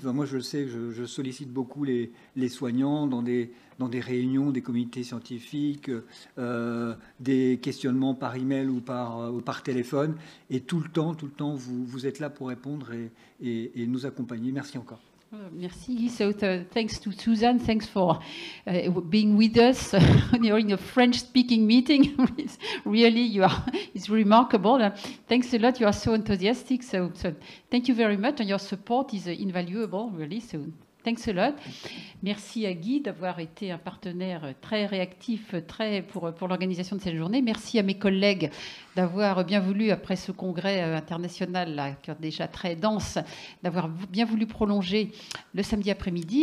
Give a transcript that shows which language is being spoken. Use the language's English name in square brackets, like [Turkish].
[French] Enfin, moi, je le sais, je sollicite beaucoup les soignants dans des réunions, des comités scientifiques, des questionnements par email ou par téléphone. Et tout le temps, vous êtes là pour répondre et nous accompagner. Merci encore. Merci, Guy. [English] So thanks to Susan. Thanks for being with us during a French-speaking meeting. Really, it's remarkable. Thanks a lot. You are so enthusiastic. So thank you very much. And your support is invaluable, really. So thanks a lot. [French] Merci à Guy d'avoir été un partenaire très réactif pour l'organisation de cette journée. Merci à mes collègues d'avoir bien voulu, après ce congrès international là, qui est déjà très dense, d'avoir bien voulu prolonger le samedi après-midi.